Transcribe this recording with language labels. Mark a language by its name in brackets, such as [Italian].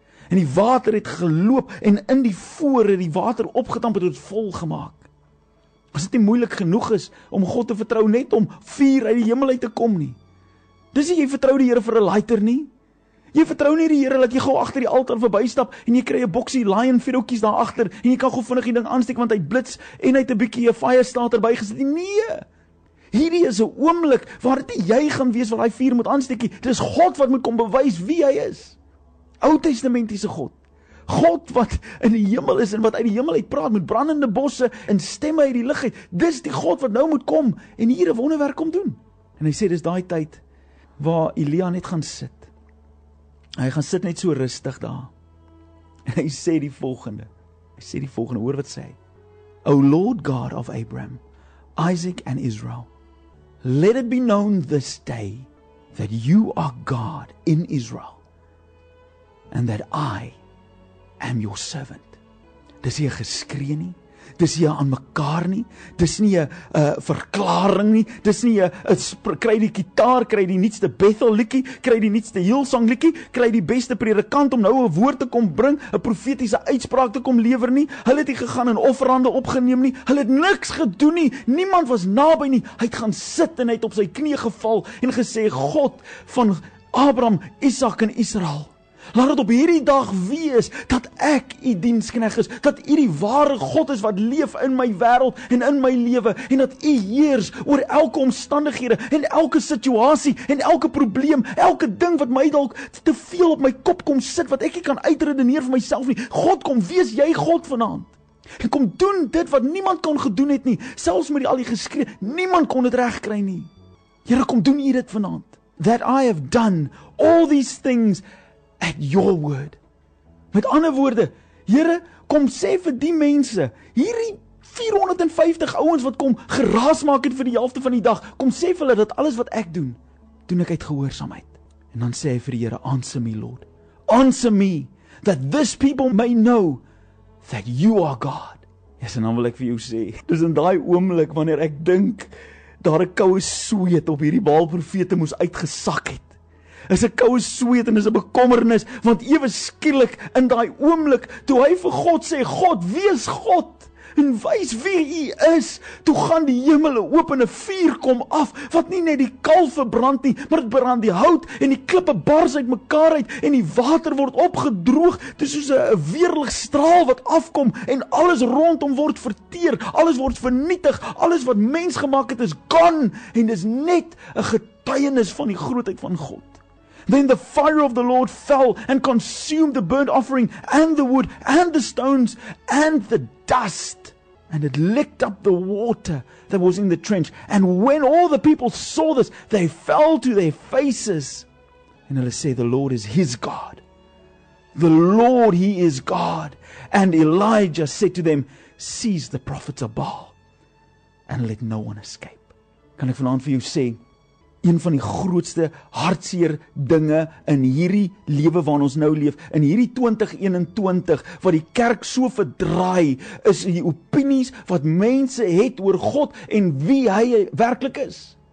[Afrikaans] En die water het geloop en in die voor het die water opgetamp en het vol gemaak. As dit nie moeilik genoeg is om God te vertrou net om vuur uit die hemel uit te kom nie. Dis jy vertrou die Here vir 'n lighter nie? Jy vertrou nie die Here dat jy gou agter die altaar verbystap en jy kry 'n boksie Lion vuurhoutjies daar agter en jy kan gou vinnig die ding aansteek want hy blits en hy het 'n bietjie 'n fire starter bygesit. Nee. Hierdie is 'n oomblik waar dit nie jy gaan wees wat daai vuur moet aansteek nie. Dis God wat moet kom bewys wie hy is. Ou Testamentiese God. God wat in die hemel is en wat uit die hemel uit praat met brandende bosse en stemme uit die lug uit. Dis die God wat nou moet kom en hier 'n wonderwerk kom doen. En hy sê dis daai tyd waar Elia net gaan sit. Hy gaan sit net so rustig daar. En hy sê die volgende. Hy sê die volgende, hoor wat sê hy. [English] O Lord God of Abraham, Isaac and Israel, let it be known this day that you are God in Israel and that I am your servant. [Afrikaans] Dis nie 'n geskree nie. Dis nie aan mekaar nie. Dis nie 'n verklaring nie. Dis nie 'n kry die kitaar, kry die nuutste Bethel liedjie, kry die nuutste Hillsong liedjie, kry die beste predikant om nou 'n woord te kom bring, 'n profetiese uitspraak te kom lewer nie. Hulle het nie gegaan en offerande opgeneem nie. Hulle het niks gedoen nie. Niemand was naby nie. Hy het gaan sit en hy het op sy knie geval en gesê: "God van Abraham, Isak en Israel, laat het op hierdie dag wees dat ek u dienskneg is, dat u die ware God is wat leef in my wêreld en in my lewe en dat u heers oor elke omstandighede en elke situasie en elke probleem, elke ding wat my dalk te veel op my kop kom sit wat ek nie kan uitredeneer vir myself nie. God, kom wees jy God vanaand. En kom doen dit wat niemand kon gedoen het nie, selfs met al die geskree, niemand kon dit reg kry nie. Here, kom doen u dit vanaand. [English] That I have done all these things at your word." [Afrikaans] Met ander woorde, Here, kom sê vir die mense, hierdie 450 ouens wat kom geraas maak het vir die helfte van die dag, kom sê vir hulle dat alles wat ek doen, doen ek uit gehoorsaamheid. En dan sê hy vir die Here, [English] "Answer me, Lord. Answer me that this people may know that you are God." [Afrikaans] Yes, en dan wil ek vir jou sê, dis in daai oomblik wanneer ek dink daar 'n koue sweet op hierdie Baal profete moes uitgesak het. Is 'n koue sweet en is 'n bekommernis, want ewe skielik in daai oomblik toe hy vir God sê, "God, wees God en wys wie u is," toe gaan die hemele oop en 'n vuur kom af wat nie net die kalf verbrand nie, maar dit brand die hout en die klippe bars uit mekaar uit en die water word opgedroog, dit is soos 'n weerlig straal wat afkom en alles rondom word verteer, alles word vernietig, alles wat mens gemaak het is gone en dis net 'n getuienis van die grootheid van God. [English] Then the fire of the Lord fell and consumed the burnt offering and the wood and the stones and the dust. And it licked up the water that was in the trench. And when all the people saw this, they fell to their faces. And they say, "The Lord is his God. The Lord, he is God." And Elijah said to them, "Seize the prophets of Baal and let no one escape." [Afrikaans] Kan ek vanaand vir jou sê, een van die grootste hartseer dinge in hierdie lewe waarin ons nou leef, in hierdie 2021 wat die kerk so verdraai, is die opinies wat mense het oor God en wie hy werklik is.